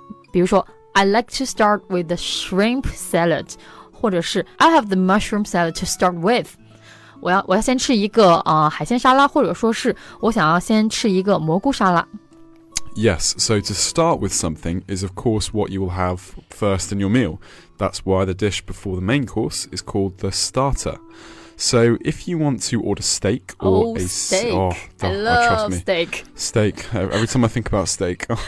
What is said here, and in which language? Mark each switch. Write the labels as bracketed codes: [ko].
[en] 比如说 I like to start with the shrimp salad, 或者是 I have the mushroom salad to start with. [zh] 我要先吃一个、海鲜沙拉，或者说是我想要先吃一个蘑菇沙拉。 [en] Yes, so to start with something is of course what you will have first in your meal. That's why the dish before the main course is called the starter. So if you want to order steak or oh, a... Steak. Oh, steak. I love trust me. Steak. Steak. Every time I think about steak.